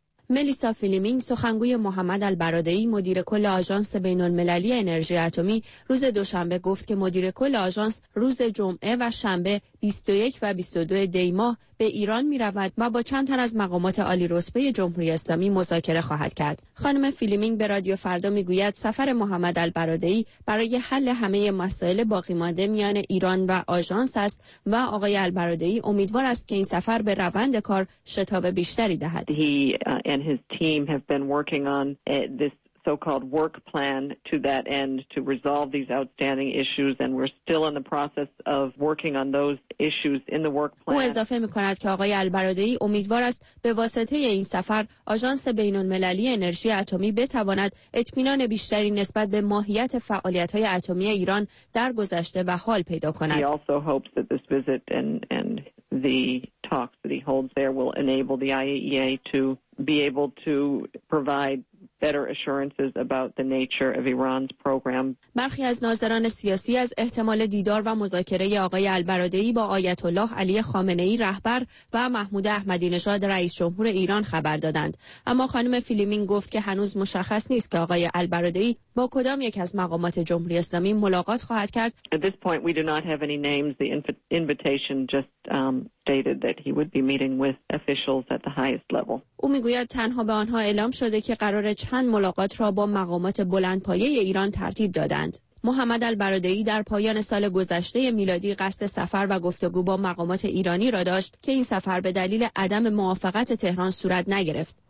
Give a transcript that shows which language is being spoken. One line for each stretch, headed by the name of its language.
Persian: ملیسا فیلیمینگ سخنگوی محمد البرادعی مدیر کل آژانس بین‌المللی انرژی اتمی روز دوشنبه گفت که مدیر کل آژانس روز جمعه و شنبه 21 و 22 دی ماه به ایران می رود و با چند تن از مقامات عالی رتبه جمهوری اسلامی مذاکره خواهد کرد. خانم فیلیمینگ به رادیو فردا می گوید سفر محمد البرادعی برای حل همه مسائل باقی مانده میان ایران و آژانس است و آقای البرادعی امیدوار است که این سفر به روند کار شتاب بیشتری دهد.
English: He and his team have been working on this so-called work plan to that end to resolve these outstanding issues and we're still in the process of working on those issues in the work plan.
Persian: او اضافه میکند که آقای البرادعی امیدوار است به واسطه این سفر آژانس بین المللی انرژی اتمی بتواند اطمینان بیشتری نسبت به ماهیت فعالیت های اتمی ایران در گذشته و حال پیدا کند.
English: He also hopes that this visit and the talks that he holds there will enable the IAEA to be able to provide better assurances about the nature of Iran's program.
Persian: برخی از ناظران سیاسی از احتمال دیدار و مذاکره آقای البرادعی با آیت الله علی خامنه ای رهبر و محمود احمدی نژاد رئیس جمهور ایران خبر دادند، اما خانم فیلیمینگ گفت که هنوز مشخص نیست که آقای البرادعی با کدام یک از مقامات جمهوری اسلامی ملاقات خواهد کرد.
English: At this point we do not have any names. The invitation just stated that he would be meeting with officials at the highest level.
Persian: او میگوید تنها به آنها اعلام شده که قرار چند ملاقات را با مقامات بلندپایه ایران ترتیب دادند. محمد البرادعی در پایان سال گذشته میلادی قصد سفر و گفتگو با مقامات ایرانی را داشت که این سفر به دلیل عدم موافقت تهران صورت نگرفت.